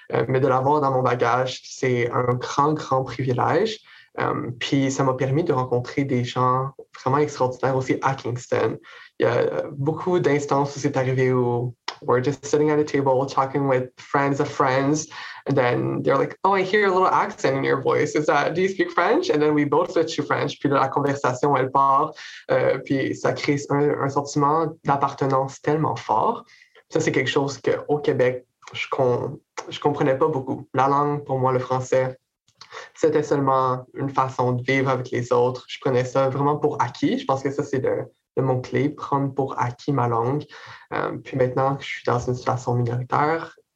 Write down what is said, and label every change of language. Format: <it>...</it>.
<fr>Mais de l'avoir dans mon bagage, c'est un grand, grand privilège. Puis ça m'a permis de rencontrer des gens vraiment extraordinaires aussi à Kingston. Il y a beaucoup d'instances où c'est arrivé où</fr> <en>we're just sitting at a table talking with friends of friends. And then they're like, oh, I hear a little accent in your voice. Is that, do you speak French? And then we both switch to French.</en> <fr>Puis la conversation, elle part. Puis ça crée un sentiment d'appartenance tellement fort. Ça, c'est quelque chose qu'au Québec, je comprenais pas beaucoup. La langue, pour moi, le français, c'était seulement une façon de vivre avec les autres. Je prenais ça vraiment pour acquis. Je pense que ça, c'est de mon clé, prendre pour acquis ma langue. Puis maintenant que je suis dans une situation minoritaire,</fr>